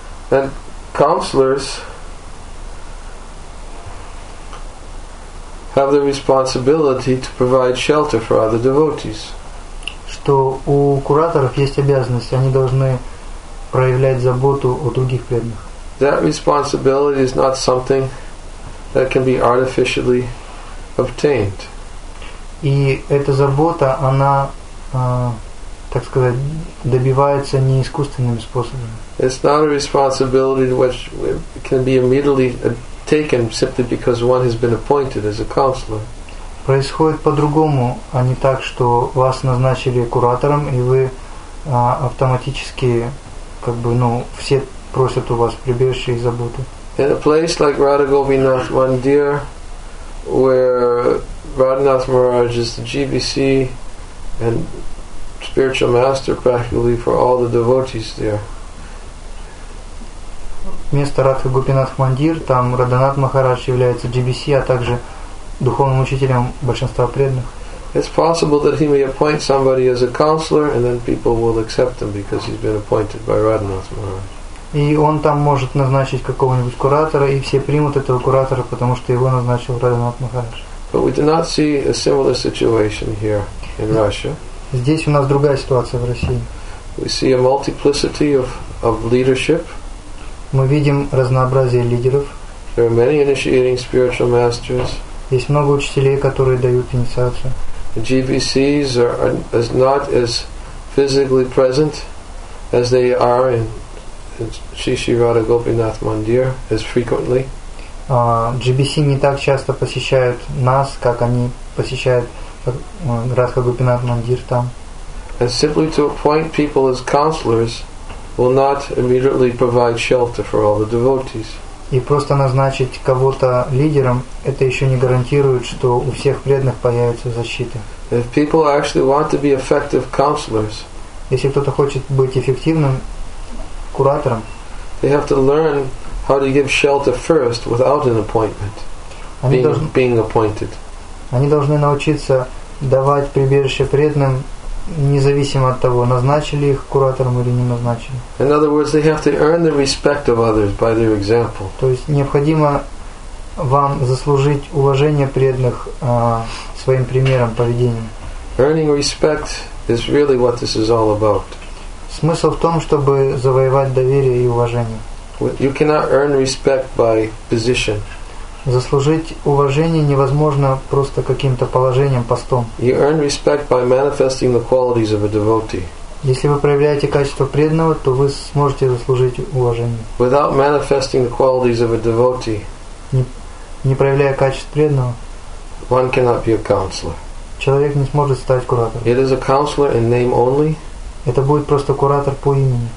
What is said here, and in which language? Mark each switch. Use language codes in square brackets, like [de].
[en] And counselors have the responsibility to provide shelter for other devotees. [ru] Что у кураторов есть обязанность, они должны проявлять заботу о других преданных. [en] That responsibility is not something that can be artificially obtained. [ru] И эта забота, она, так сказать, добивается не искусственными способами. [en] It's not a responsibility which can be immediately taken simply because one has been appointed as a counselor. [ru] Происходит по-другому, а не так, что вас назначили куратором, и вы автоматически, как бы, ну, все просят у вас прибежище и заботы. [en] In a place like Radha Gopinath Mandir, where Radhanath Maharaj is the GBC and spiritual master practically for all the devotees there. [ru] Место Радха Гопинатх Мандир, там Радханат Махарадж является GBC, а также духовным учителем большинства преданных. [en] It's possible that he may appoint somebody as a counselor, and then people will accept him because he's been appointed by Radhanath Maharaj. [ru] И он там может назначить какого-нибудь куратора, и все примут этого куратора, потому что его назначил Радханат Махарадж. [en] But we do not see a similar situation here in Russia. [ru] Здесь у нас другая ситуация в России. [en] We see a multiplicity of leadership. [ru] Мы видим разнообразие лидеров. [en] There are many initiating spiritual masters. [ru] Есть много учителей, которые дают инициацию. [en] The GBCs are not as physically present as they are in Shri Shri Radha Gopinath Mandir as frequently. [ru] GBC не так часто посещают нас, как они посещают Радха Гопинат Мандир там. [en] And simply to appoint people as counselors will not immediately provide shelter for all the devotees. [ru] И просто назначить кого-то лидером, это еще не гарантирует, что у всех преданных появится защита. [en] If people actually want to be effective counselors, [ru] если кто-то хочет быть эффективным куратором, [en] they have to learn how to give shelter first without an appointment, being appointed. [ru] Они должны научиться давать прибежище преданным, независимо от того, назначили их куратором или не назначили. [en] In other words, they have to earn the respect of others by their example. [ru] То есть необходимо вам заслужить уважение преданных своим примером поведения. [en] Earning respect is really what this is all about. [ru] Смысл в том, чтобы завоевать доверие и уважение. [en] You cannot earn respect by position. [ru] Заслужить уважение невозможно просто каким-то положением, постом. [en] You earn respect by manifesting the qualities of a devotee. [ru] Если вы проявляете качество преданного, то вы сможете заслужить уважение. [en] Without manifesting the qualities of a devotee, [ru] не проявляя качеств преданного, [en] one cannot be a counselor. [ru] Человек не сможет стать куратором. [en] It is a counselor in name only. [ru] Это будет просто куратор по имени.